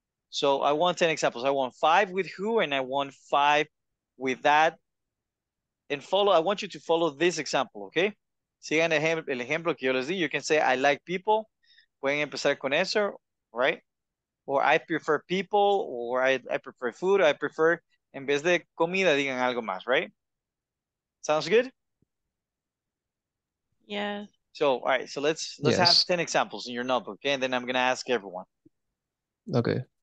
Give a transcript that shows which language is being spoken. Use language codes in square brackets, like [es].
[en] So I want 10 examples. I want 5 with who and I want 5 with that, and follow, I want you to follow this example, okay? [es] Sigan el ejemplo que yo les di. [en] You can say, I like people. [es] Pueden empezar con eso, right? [en] Or I prefer people, or I prefer food. I prefer, [es] en vez de comida, digan algo más, right? [en] Sounds good? Yeah. So, all right, so let's have 10 examples in your notebook, okay? And then I'm going to ask everyone. Okay.